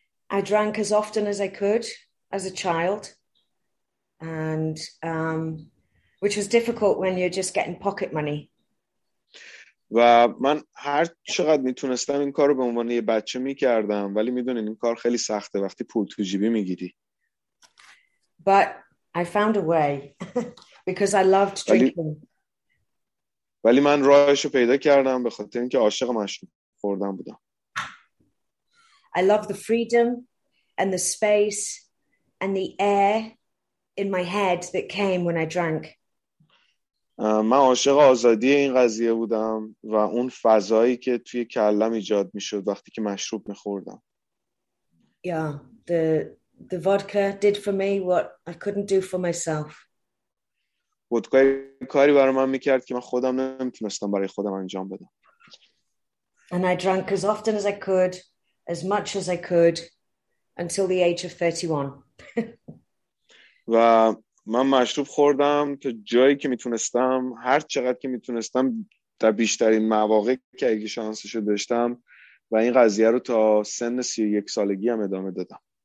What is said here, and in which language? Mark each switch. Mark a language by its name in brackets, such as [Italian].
[English] I drank as often as I could as a child, and which was difficult when you're just getting pocket money. [Persian] و من هر چقدر میتونستم این کار رو به عنوان یه بچه میکردم، ولی میدونین این کار خیلی سخته وقتی پول تو جیبی میگیری. [English] But I found a way because I loved drinking. [Persian] ولی من راهش رو پیدا کردم به خاطر اینکه عاشق مشروب خوردن بودم. [English] I love the freedom and the space and the air in my head that came when I drank. [Persian] من عاشق آزادی این قضیه بودم و اون فضایی که توی کلم ایجاد میشد وقتی که مشروب میخوردم. [English] Yeah, the vodka did for me what I couldn't do for myself. [Persian] ودکای کاری برای من میکرد که من خودم نمیتونستم برای خودم انجام بدم. [English] And I drank as often as I could, as much as I could, until the age of 31. [Persian] و من مشروب خوردم تا جایی که میتونستم، هر چقدر که میتونستم، در بیشترین مواقع که اگه شانسش رو داشتم، و این قضیه رو تا سن 31 سالگی هم ادامه دادم.